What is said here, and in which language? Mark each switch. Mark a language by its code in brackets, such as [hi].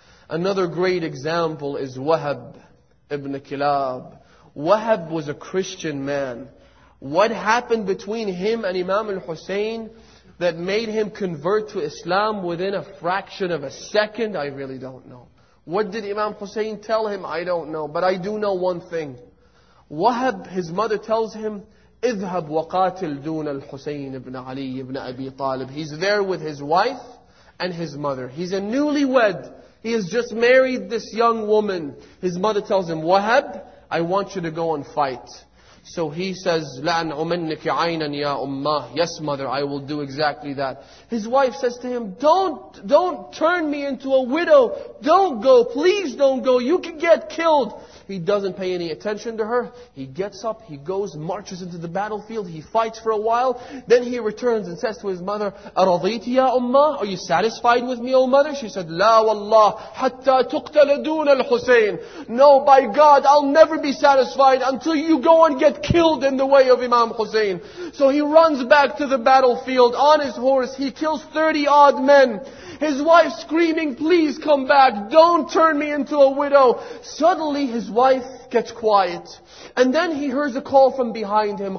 [en] Another great example is Wahab ibn Kilab. Wahab was a Christian man. What happened between him and Imam al-Hussein that made him convert to Islam within a fraction of a second? I really don't know. What did Imam Hussein tell him? I don't know. But I do know one thing. Wahab, his mother tells him, [ar] اذهب وقاتل دون الحسين ابن علي ابن أبي طالب. [en] He's there with his wife and his mother. He's a newlywed. He has just married this young woman. His mother tells him, Wahab, I want you to go and fight. So he says, [ar] لَأَنْ عُمَنِّكِ عَيْنًا يَا أُمَّهِ. [en] Yes, mother, I will do exactly that. His wife says to him, Don't turn me into a widow. Don't go, please don't go. You can get killed. He doesn't pay any attention to her. He gets up, he goes, marches into the battlefield. He fights for a while. Then he returns and says to his mother, [ar] أَرَضِيتِ يَا أُمَّهِ. [en] Are you satisfied with me, O mother? She said, [ar] لَا وَاللَّهِ حَتَّى تُقْتَلَ دُونَ الْحُسَيْنِ. [en] No, by God, I'll never be satisfied until you go and get killed in the way of Imam Hussein. So he runs back to the battlefield on his horse. He kills 30 odd men. His wife screaming, please come back. Don't turn me into a widow. Suddenly his wife gets quiet. And then he hears a call from behind him.